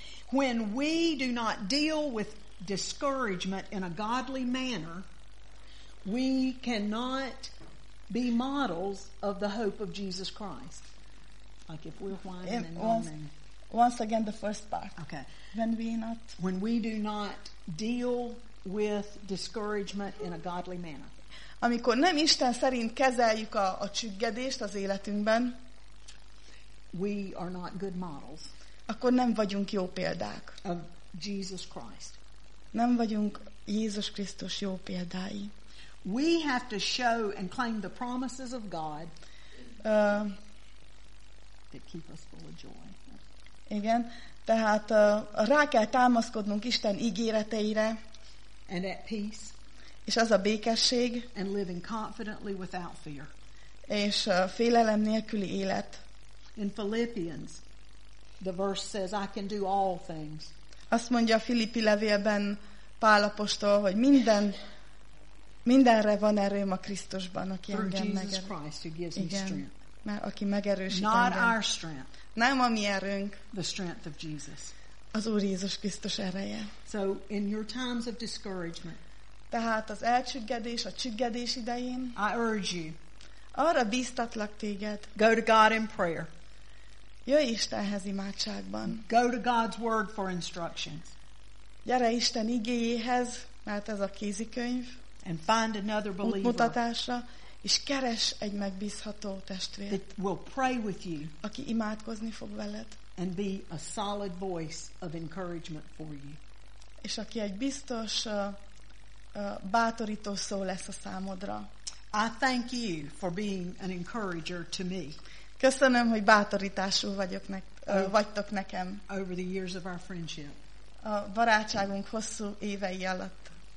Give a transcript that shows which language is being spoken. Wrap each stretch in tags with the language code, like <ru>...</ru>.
<en>When we do not deal with discouragement in a godly manner, we cannot be models of the hope of Jesus Christ. Like if we're whining and moaning. Once again, the first part. Okay. When we do not deal with discouragement in a godly manner.</en> <hu>Amikor nem Isten szerint kezeljük a csüggedést az életünkben,</hu> <en>we are not good models.</en> <hu>Akkor nem vagyunk jó példák.</hu> <en>Of Jesus Christ.</en> <hu>Nem vagyunk Jézus Krisztus jó példái.</hu> <en>We have to show and claim the promises of God that keep us full of joy.</en> <hu>Igen, tehát rá kell támaszkodnunk Isten ígéreteire,</hu> <en>and at peace,</en> <hu>és az a békesség,</hu> <en>and living confidently without fear.</en> <hu>És félelem nélküli élet.</hu> <en>In Philippians, the verse says, I can do all things.</en> <hu>Azt mondja a Filippi levélben Pál apostol, hogy mindenre van erőm a Krisztusban, aki engem megerősít. Igen, mert aki megerősít engem.</hu> <en>Not our strength.</en> <hu>Nem a mi erőnk,</hu> <en>the strength of Jesus.</en> <hu>Az Úr Jézus Krisztus ereje.</hu> <en>So in your times of discouragement,</en> <hu>tehát az elcsüggedés, a csüggedés idején,</hu> <en>I urge you,</en> <hu>arra bíztatlak téged,</hu> <en>go to God in prayer.</en> <hu>Jöjj Istenhez imádságban.</hu> <en>Go to God's word for instructions.</en> <hu>Gyere Isten igéjéhez, mert ez a kézikönyv,</hu> <en>and find another believer.</en> <hu>Útmutatásra. És keres egy megbízható testvért,</hu> <en>that will pray with you,</en> <hu>aki imádkozni fog veled,</hu> <en>and be a solid voice of encouragement for you.</en> <hu>És aki egy biztos bátorító szó lesz a számodra.</hu> <en>I thank you for being an encourager to me.</en> <hu>Köszönöm, hogy bátorítású vagyok vagytok nekem.</hu> <en>Over the years of our friendship.</en> <hu>A barátságunk hosszú évei alatt.</hu>